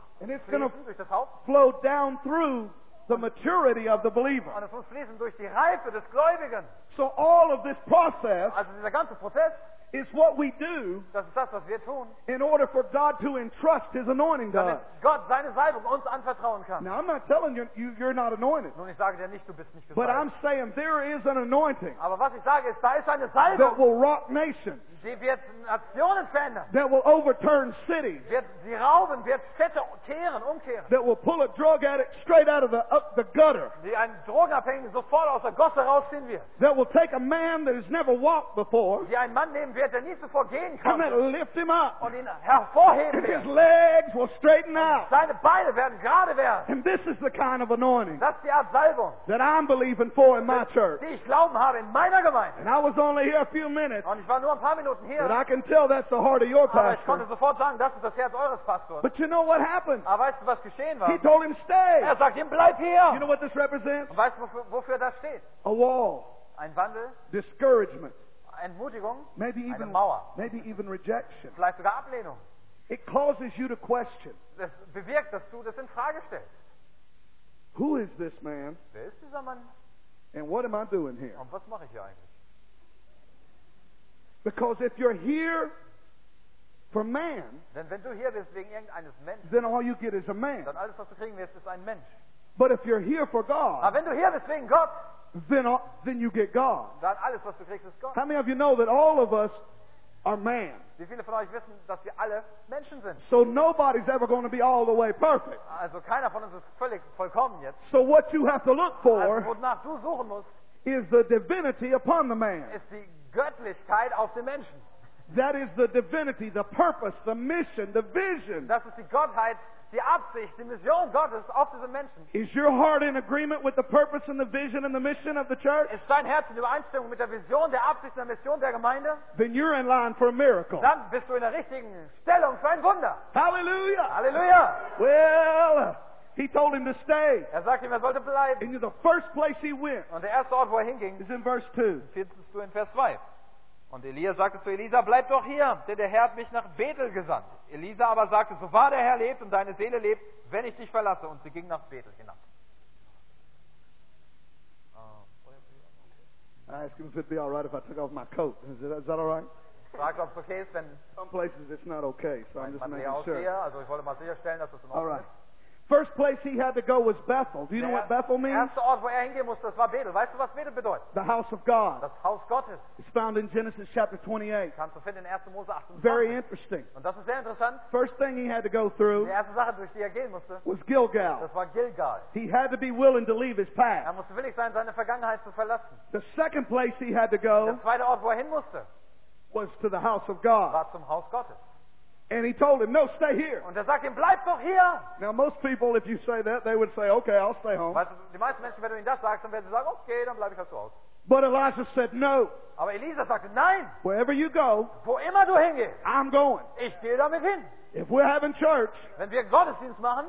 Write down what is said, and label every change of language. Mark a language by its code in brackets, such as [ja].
[en] And it's going to flow down through the maturity of the believer. [de] Und es muss fließen durch die Reife des Gläubigen. [en] So all of this process, [de] also dieser ganze Prozess, [en] is what we do, [de] das ist das, was wir tun, [en] in order for God to entrust His anointing to us. [de] Gott seine Salbung uns anvertrauen kann. [en] Now I'm not telling you you're not anointed. [de] Nun, ich sage dir nicht, du bist nicht gesalbt. [en] But I'm saying there is an anointing. [de] Aber was ich sage ist, da ist eine Salbung. [en] That will rock nations. [de] Die wird Nationen verändern. [en] That will overturn cities. [de] Wird sie rauben, wird Städte umkehren. [en] That will pull a drug addict straight out of the gutter. [de] Die einen Drogenabhängigen sofort aus der Gosse rausziehen wird. [en] That will take a man that has never walked before. [de] Die einen Mann nehmen wird, der nie zuvor gehen kann. [en] And that will lift him up. [de] Und ihn hervorheben. [en] And his legs will straighten out. [de] Seine Beine werden gerade werden. [en] And this is the kind of anointing. [de] Das ist die Art Salbung. [en] That I'm believing for in my church. [de] Die ich glauben habe in meiner Gemeinde. [en] And I was only here a few minutes. [de] Und ich war nur ein paar Minuten hier. [en] But I can tell that's the heart of your pastor. [de] Aber ich konnte sofort sagen, das ist das Herz eures Pastors. [en] But you know what happened? [de] Aber weißt du, was geschehen war? [en] He told him stay. [de] Er sagt ihm, bleib hier. [en] You know what this represents? [de] Und weißt du, wofür das steht? [en] A wall. [de] Ein Wandel. [en] Discouragement. [de] Entmutigung, [en] maybe even, [de] eine Mauer. [en] Maybe even rejection. [de] Vielleicht sogar Ablehnung. [en] It causes you to question. [de] Das bewirkt, dass du das in Frage stellst. [en] Who is this man? [de] Wer ist dieser Mann? [en] And what am I doing here? [de] Und was mache ich hier eigentlich? [en] Because if you're here for man, [de] denn wenn du hier bist wegen irgendeines Menschen, [en] then all you get is a man. [de] Dann alles, was du kriegen wirst, ist ein Mensch. [en] But if you're here for God, [de] aber wenn du hier bist wegen Gott, [en] Then you get God. [de] Dann alles, was du kriegst, ist Gott. [en] How many of you know that all of us are man? [de] Wie viele von euch wissen, dass wir alle Menschen sind? [en] So nobody's ever going to be all the way perfect. [de] Also keiner von uns ist völlig vollkommen jetzt. [en] So what you have to look for, [de] also, wonach du suchen musst, [en] is the divinity upon the man. [de] Ist die Göttlichkeit auf den Menschen. [en] That is the divinity, the purpose, the mission, the vision. [de] Das ist die Gottheit, die Absicht, die Mission Gottes auf diesen Menschen. [en] Is your heart in agreement with the purpose and the vision and the mission of the church? [de] Ist dein Herz in Übereinstimmung mit der Vision, der Absicht und der Mission der Gemeinde? [en] Then you're in line for a miracle. [de] Dann bist du in der richtigen Stellung für ein Wunder. [en] Hallelujah! [de] Hallelujah! [en] Well, he told him to stay. [de] Er sagte ihm, er sollte bleiben. [en] And the first place he went. [de] Und der erste Ort, wo er hinging, [en] is in verse 2. [de] Findest du in Vers 2. Und Elia sagte zu Elisa, bleib doch hier, denn der Herr hat mich nach Bethel gesandt. Elisa aber sagte, so wahr der Herr lebt und deine Seele lebt, wenn ich dich verlasse. Und sie ging nach Bethel hinab. [en] I asked him if it'd be alright if I took off my coat. Is that alright? [de] Frag, ob es okay ist, wenn... [en] Some places it's not okay, so I'm just making sure. [de] Hier, also ich wollte mal sicherstellen, dass es in Ordnung ist. [en] First place he had to go was Bethel. Do you know what Bethel means? [de] Erste Ort, wo er hingehen musste, das war Bethel. Weißt du, was Bethel bedeutet? [en] The house of God. [de] Das Haus Gottes. [en] It's found in Genesis chapter 28. [de] Kannst du finden in 1. Mose 28. [en] Very interesting. [de] Und das ist sehr interessant. [en] First thing he had to go through. [de] Die erste Sache, durch die er gehen musste, [en] was Gilgal. [de] Das war Gilgal. [en] He had to be willing to leave his past. [de] Er musste willig sein, seine Vergangenheit zu verlassen. [en] The second place he had to go. [de] Der zweite Ort, wo er hin musste, [en] was to the house of God. [de] War zum Haus Gottes. [en] And he told him, no, stay here. [de] Und er sagt ihm, bleib doch hier. [en] Now most people, if you say that, they would say, okay, I'll stay home. [de] Die meisten Menschen, wenn du ihnen das sagst, dann werden sie sagen, okay, dann bleibe ich halt zu Hause. [en] But Elijah said, no. [de] Aber Elisa sagte, nein. [en] Wherever you go, [de] wo immer du hingehst, [en] I'm going. [de] Ich gehe damit hin. [en] If we're having church, [de] wenn wir Gottesdienst machen,